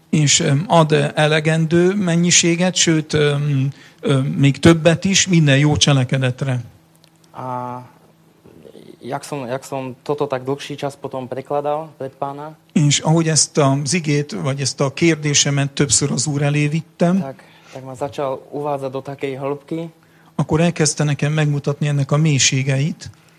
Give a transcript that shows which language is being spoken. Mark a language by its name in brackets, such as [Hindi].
[Hungarian] És ad elegendő mennyiséget, sőt, még többet is minden jó cselekedetre. [Slovak] A jak som toto tak dlhší čas potom prekladal pred pána. [Hungarian] És ahogy ezt az igét, vagy ezt a kérdésemet többször az Úr elé vittem, [Slovak] tak ma začal uvádzať do takej hĺbky. [Hungarian] Akkor elkezdte nekem megmutatni ennek a mélységeit.